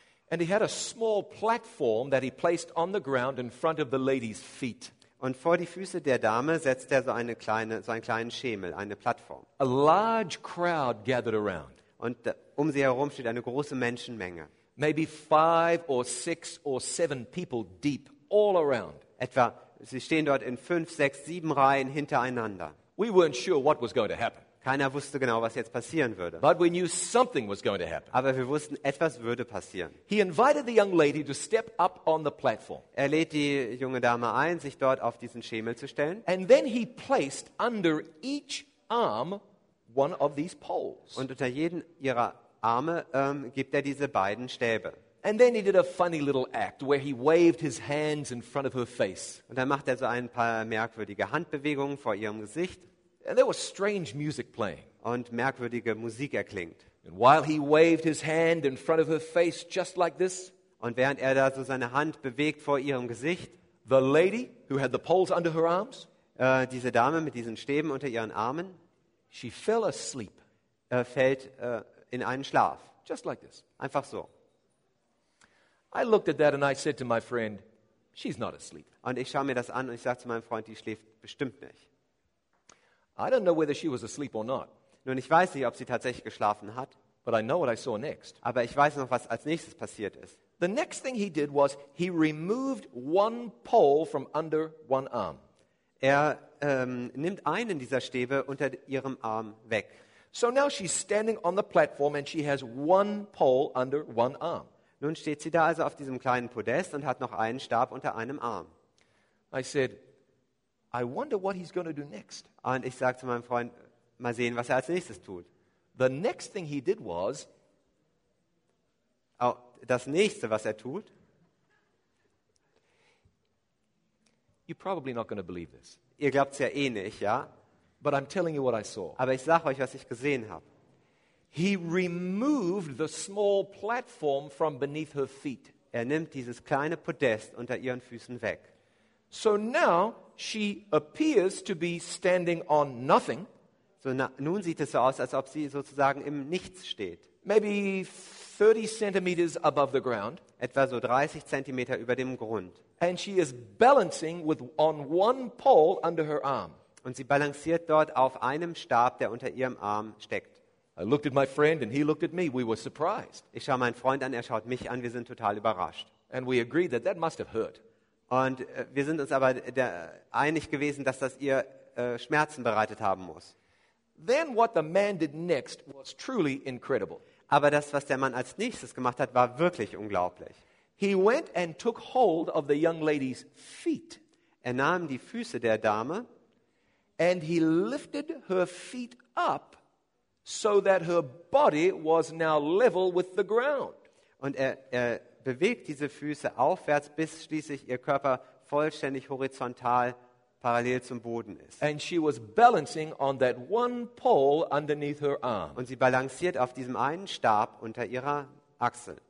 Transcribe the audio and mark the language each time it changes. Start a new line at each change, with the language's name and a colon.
English: And he had a small platform that he placed on the ground in front of the lady's feet.
German: Und vor die Füße der Dame setzte er so einen kleinen Schemel, eine Plattform.
English: A large crowd gathered around.
German: Und um sie herum steht eine große Menschenmenge.
English: Maybe 5 or 6 or 7 people deep all around.
German: Etwa sie stehen dort in 5, 6, 7 Reihen hintereinander.
English: We weren't sure what was going to happen.
German: Keiner wusste genau, was jetzt passieren würde.
English: But we knew something was going to happen.
German: Aber wir wussten, etwas würde passieren.
English: He invited the young lady to step up on the platform.
German: Er lädt die junge Dame ein, sich dort auf diesen Schemel zu stellen.
English: And then he placed under each arm one of these poles.
German: Und unter jeden ihrer Arme gibt er diese beiden Stäbe.
English: And then he did a funny little act where he waved his hands in front of her face.
German: Und dann macht er so ein paar merkwürdige Handbewegungen vor ihrem Gesicht.
English: And there was strange music playing.
German: Und merkwürdige Musik erklingt.
English: And while he waved his hand in front of her face just like this,
German: und während er da so seine Hand bewegt vor ihrem Gesicht,
English: the lady who had the poles under her arms,
German: diese Dame mit diesen Stäben unter ihren Armen,
English: she fell asleep.
German: Fällt in einen Schlaf.
English: Just like this.
German: Einfach so.
English: I looked at that and I said to my friend, she's not asleep.
German: Und ich schaue mir das an und ich sage zu meinem Freund, die schläft bestimmt nicht.
English: I don't know whether she was asleep or not.
German: Nun, ich weiß nicht, ob sie tatsächlich geschlafen hat.
English: But I know what I saw next.
German: Aber ich weiß noch, was als nächstes passiert ist.
English: The next thing he did was he removed one pole from under one arm.
German: Er nimmt einen dieser Stäbe unter ihrem Arm weg.
English: So now she's standing on the platform and she has one pole under one arm.
German: Nun steht sie da also auf diesem kleinen Podest und hat noch einen Stab unter einem Arm.
English: I said, I wonder what he's going to do next.
German: Und ich sagte zu meinem Freund, mal sehen, was er als nächstes tut.
English: The next thing he did was,
German: oh, das nächste, was er tut,
English: you're probably not going to believe this.
German: Ihr glaubt's ja eh nicht, ja?
English: But I'm telling you what I saw.
German: Aber ich sag euch, was ich gesehen habe.
English: He removed the small platform from beneath her feet.
German: Er nimmt dieses kleine Podest unter ihren Füßen weg.
English: So now she appears to be standing on nothing.
German: So nun sieht es so aus, als ob sie sozusagen im Nichts steht.
English: Maybe 30 centimeters above the ground.
German: Etwa so 30 Zentimeter über dem Grund.
English: And she is balancing with on one pole under her arm.
German: Und sie balanciert dort auf einem Stab, der unter ihrem Arm steckt.
English: I looked at my friend and he looked at me. We were surprised.
German: Ich schaue meinen Freund an, er schaut mich an. Wir sind total überrascht.
English: And we agreed that that must have hurt.
German: Und wir sind uns aber einig gewesen, dass das ihr Schmerzen bereitet haben muss.
English: Then what the man did next was truly incredible.
German: Aber das, was der Mann als nächstes gemacht hat, war wirklich unglaublich.
English: He went and took hold of the young lady's feet.
German: Er nahm die Füße der Dame.
English: And he lifted her feet up, so that her body was now level with the ground.
German: Und er bewegt diese Füße aufwärts, bis schließlich ihr Körper vollständig horizontal parallel zum Boden ist.
English: And she was balancing on that one pole underneath her arm.
German: Und sie balanciert auf diesem einen Stab unter ihrer Achsel.